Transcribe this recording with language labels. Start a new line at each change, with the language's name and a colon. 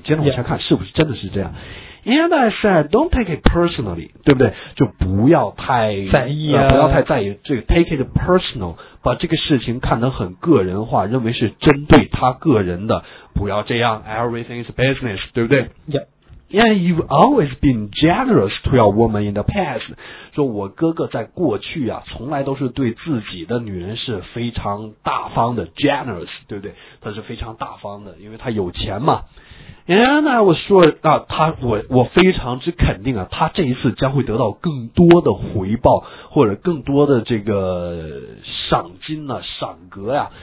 Chinese: 接着往下看，是不是真的是这样 ？
English: And I said, don't take it personally，
Chinese: 对不对？就不要太在意啊，不要太在意这个
English: take it personal，
Chinese: 把这个事情看得很个人化，认为是针对他个人的，不要这样。
English: Everything is business，
Chinese: 对不对？
English: Yeah。 And you've always been generous to your woman in the past.
Chinese: 说我哥哥在过去啊，从来都是对自己的女人是非常大方的 ，generous， 对不对？他是非常大方的，因为他有钱嘛。
English: And I was sure,
Chinese: 那他我非常之肯定啊，他这一次将会得到更多的回报或者更多的这个赏金呢、啊、赏格呀、啊。